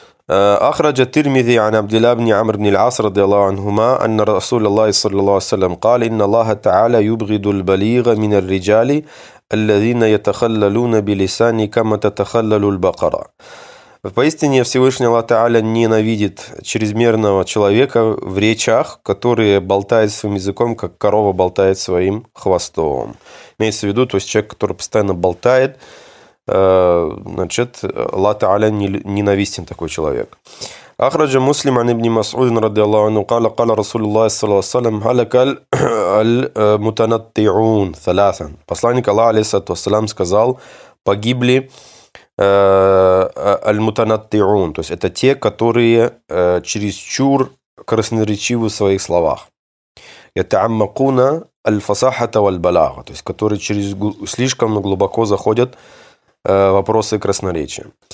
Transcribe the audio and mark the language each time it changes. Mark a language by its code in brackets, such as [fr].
[ar] أخرج الترمذي عن عبد الله بن عمرو بن العاص رضي الله عنهما أن رسول الله صلى الله عليه وسلم قال إن الله تعالى يبغض البليغ من الرجال الذين يتخللون بلسان كما تتخلل البقرة. [ru] Поистине Всевышний Аллах Тааля ненавидит чрезмерного человека в речах, который болтает своим языком, как корова болтает своим хвостом. Имеется в виду, то есть человек, который постоянно болтает, Аллах Тааля ненавистен такой человек. [ar] Ахраджа муслим ан ибн Масуд ради Аллаху анху قال قال رسول الله صلى الله عليه وسلم هلك المتنطعون ثلاثا. [ru] Посланник Аллаха алейхиссалату вассалям сказал: погибли аль-мутанаттиун, то есть это те, которые чересчур красноречивы в своих словах. Ятаммакуна аль-фасахата валь-балага, то есть которые через слишком глубоко заходят вопросы красноречия.